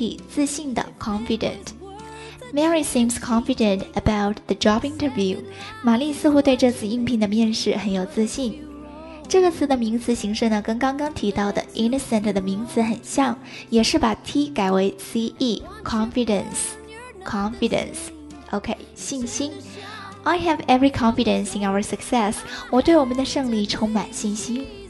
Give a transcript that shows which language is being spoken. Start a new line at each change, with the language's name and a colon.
Chinese: 自信的 confident.
English: Mary seems confident about the job interview.
Chinese: 玛丽似乎对这次应聘的面试很有自信。这个词的名词形式呢，跟刚刚提到的 innocent 的名词很像，也是把 T 改为 C-E, confidenceconfidence, OK, 信心。
English: I have every confidence in our success.
Chinese: 我对我们的胜利充满信心。